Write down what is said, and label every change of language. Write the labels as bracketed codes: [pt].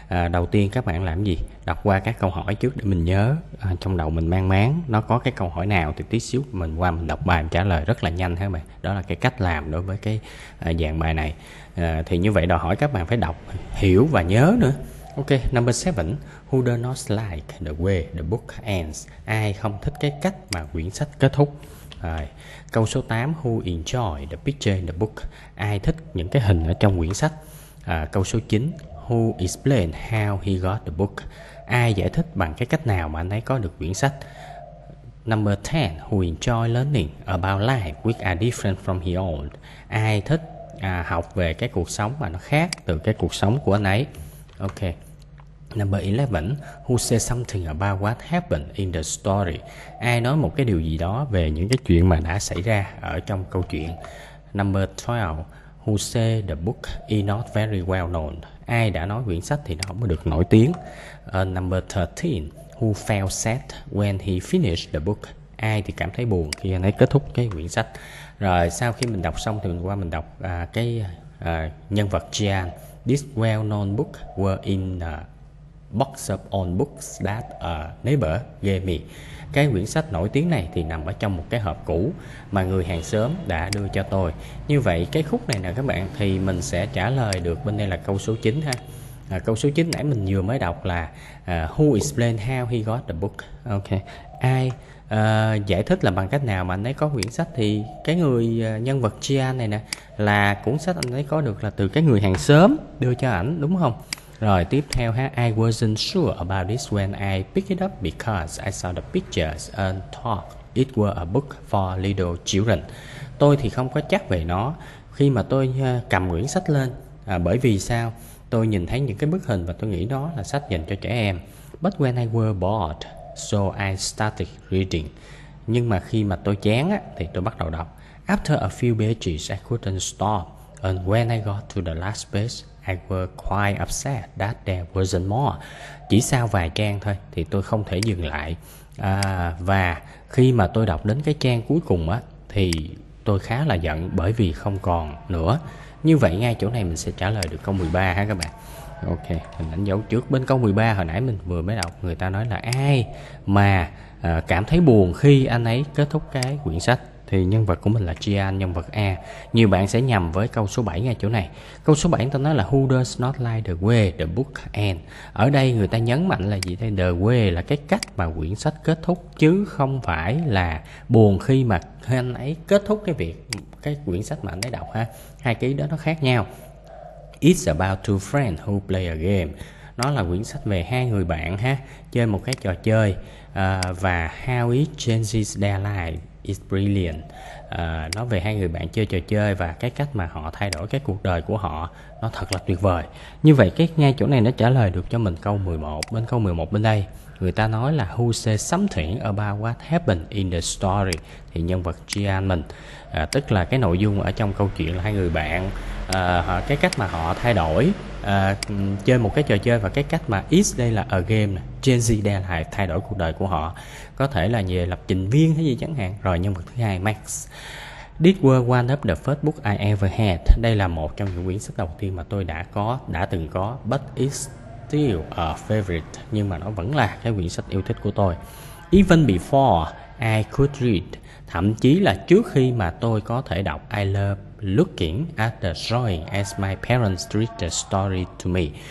[vi] Đầu tiên các bạn làm gì? Đọc qua các câu hỏi trước để mình nhớ, trong đầu mình mang máng nó có cái câu hỏi nào thì tí xíu mình qua mình đọc bài mình trả lời rất là nhanh ha bạn. Đó là cái cách làm đối với cái dạng bài này. Thì như vậy đòi hỏi các bạn phải đọc, hiểu và nhớ nữa. [en] Ok, number 7. Who does not like the way the book ends? [vi] Ai không thích cái cách mà quyển sách kết thúc? Rồi. Câu số 8, [en] who enjoy the picture in the book? [vi] Ai thích những cái hình ở trong quyển sách? Câu số 9, [en] who explain how he got the book? [vi] Ai giải thích bằng cái cách nào mà anh ấy có được quyển sách? [en] Number 10, who enjoy learning about life which are different from his own? [vi] Ai thích học về cái cuộc sống mà nó khác từ cái cuộc sống của anh ấy? [en] Ok. Number 11, who says something about what happened in the story? [vi] Ai nói một cái điều gì đó về những cái chuyện mà đã xảy ra ở trong câu chuyện? [en] Number 12, who says the book is not very well known? [vi] Ai đã nói quyển sách thì nó không được nổi tiếng? [en] Number 13, who felt sad when he finished the book? [vi] Ai thì cảm thấy buồn khi anh ấy kết thúc cái quyển sách? Rồi sau khi mình đọc xong thì mình qua mình đọc cái nhân vật Gian. [en] This well-known book were in a box of old books that a neighbor gave me. [vi] Cái quyển sách nổi tiếng này thì nằm ở trong một cái hộp cũ mà người hàng xóm đã đưa cho tôi. Như vậy cái khúc này nè các bạn, thì mình sẽ trả lời được bên đây là câu số 9 ha. Câu số 9 nãy mình vừa mới đọc là [en] who explained how he got the book. [vi] Ok. Ai giải thích là bằng cách nào mà anh ấy có quyển sách, thì cái người nhân vật Gia này nè, là cuốn sách anh ấy có được là từ cái người hàng xóm đưa cho ảnh, đúng không? Rồi tiếp theo ha, [en] I wasn't sure about this when I picked it up because I saw the pictures and thought it was a book for little children. [vi] Tôi thì không có chắc về nó khi mà tôi cầm quyển sách lên, bởi vì sao? Tôi nhìn thấy những cái bức hình và tôi nghĩ đó là sách dành cho trẻ em. [en] But when I was bored, so I started reading. [vi] Nhưng mà khi mà tôi chán á, thì tôi bắt đầu đọc. [en] After a few pages, I couldn't stop. And when I got to the last page, I was quite upset that there wasn't more. [vi] Chỉ sau vài trang thôi, thì tôi không thể dừng lại. Và khi mà tôi đọc đến cái trang cuối cùng á, thì tôi khá là giận bởi vì không còn nữa. Như vậy ngay chỗ này mình sẽ trả lời được câu 13 ha các bạn. Ok, mình đánh dấu trước. Bên câu 13 hồi nãy mình vừa mới đọc, người ta nói là ai mà cảm thấy buồn khi anh ấy kết thúc cái quyển sách, thì nhân vật của mình là Gian, nhân vật A. Nhiều bạn sẽ nhầm với câu số 7 ngay chỗ này. Câu số 7 người ta nói là [en] who does not like the way the book ends. [vi] Ở đây người ta nhấn mạnh là gì? The way là cái cách mà quyển sách kết thúc, chứ không phải là buồn khi mà anh ấy kết thúc cái việc, cái quyển sách mà anh ấy đọc ha. Hai cái đó nó khác nhau. [en] It's about two friends who play a game. [vi] Nó là quyển sách về hai người bạn ha, chơi một cái trò chơi. [en] Và how it changes their life is brilliant. [vi] Nó về hai người bạn chơi trò chơi và cái cách mà họ thay đổi cái cuộc đời của họ, nó thật là tuyệt vời. Như vậy cái ngay chỗ này nó trả lời được cho mình câu 11. Bên câu 11 bên đây, người ta nói là [en] who says something about what happened in the story. [vi] Thì nhân vật Gian mình, tức là cái nội dung ở trong câu chuyện là hai người bạn, cái cách mà họ thay đổi, chơi một cái trò chơi và cái cách mà is đây là a game, [en] change their life, [vi] thay đổi cuộc đời của họ, có thể là về lập trình viên hay gì chẳng hạn. Rồi nhân vật thứ hai, Max. [en] This was one of the first book I ever had. [vi] Đây là một trong những quyển sách đầu tiên mà tôi đã từng có. [en] But it's still a favorite. [vi] Nhưng mà nó vẫn là cái quyển sách yêu thích của tôi. [en] Even before I could read, [vi] thậm chí là trước khi mà tôi có thể đọc, [en] I love looking at the drawing as my parents read the story to me.